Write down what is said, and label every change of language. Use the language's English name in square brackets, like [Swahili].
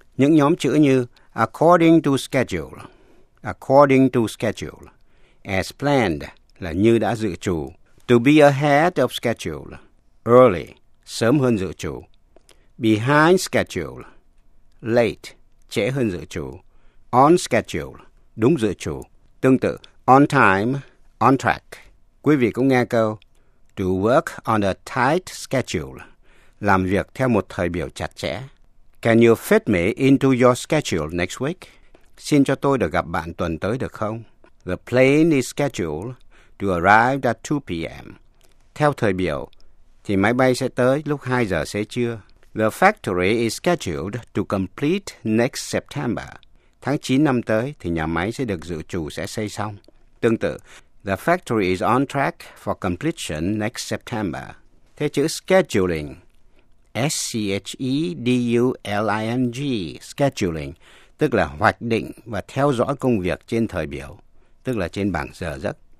[Vietnamese] Những nhóm chữ như [English] according to schedule, as planned, [Vietnamese] là như đã dự trù, [English] to be ahead of schedule, early, [Vietnamese] sớm hơn dự trù, [English] behind schedule, late, [Vietnamese] trễ hơn dự trù, [English] on schedule, [Vietnamese] đúng dự trù. Tương tự, [English] on time, on track. [Vietnamese] Quý vị cũng nghe câu [English] to work on a tight schedule, [Vietnamese] làm việc theo một thời biểu chặt chẽ. [English] Can you fit me into your schedule next week? [Vietnamese] Xin cho tôi được gặp bạn tuần tới được không? [English] The plane is scheduled to arrive at 2 p.m. [Vietnamese] Theo thời biểu thì máy bay sẽ tới lúc 2 giờ xế trưa. [English] The factory is scheduled to complete next September. [Vietnamese] Tháng 9 năm tới thì nhà máy sẽ được dự trù sẽ xây xong. Tương tự, [English] the factory is on track for completion next September. [Vietnamese] Thế chữ scheduling, S-C-H-E-D-U-L-I-N-G, scheduling, tức là hoạch định và theo dõi công việc trên thời biểu, tức là trên bảng giờ giấc.